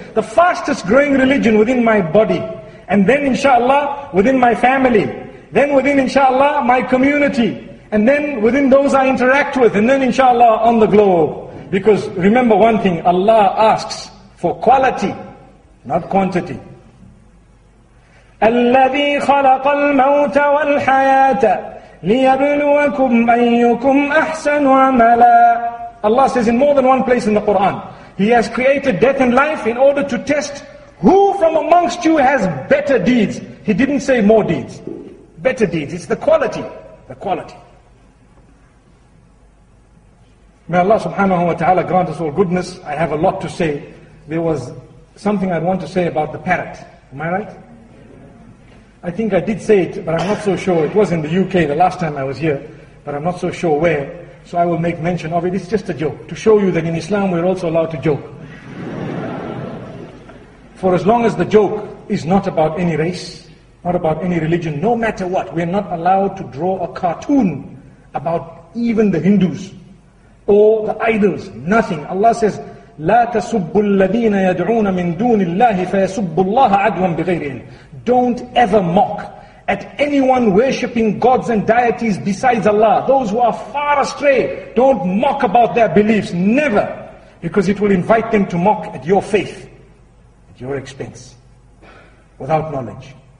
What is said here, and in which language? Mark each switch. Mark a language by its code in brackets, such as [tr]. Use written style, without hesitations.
[en] The fastest growing religion within my body. And then inshallah, within my family. Then within inshallah, my community. And then within those I interact with. And then inshallah, on the globe. Because remember one thing, Allah asks for quality, not quantity. [ar] الذي خلق الموت والحياة ليبلوكم أيكم أحسن عملا. [en] Allah says in more than one place in the Quran, He has created death and life in order to test who from amongst you has better deeds. He didn't say more deeds. Better deeds. It's the quality. The quality. May Allah subhanahu wa ta'ala grant us all goodness. I have a lot to say. There was something I'd want to say about the parrot. Am I right? I think I did say it, but I'm not so sure. It was in the UK the last time I was here, but I'm not so sure where. So I will make mention of it. It's just a joke to show you that in Islam we're also allowed to joke. For as long as the joke is not about any race, not about any religion, no matter what, we're not allowed to draw a cartoon about even the Hindus or the idols, nothing. Allah says, [ar] لا تسبوا الذين يدعون من دون الله فيسبوا الله عدوا بغير علم. [en] Don't ever mock at anyone worshipping gods and deities besides Allah. Those who are far astray, don't mock about their beliefs. Never. Because it will invite them to mock at your faith, at your expense, without knowledge.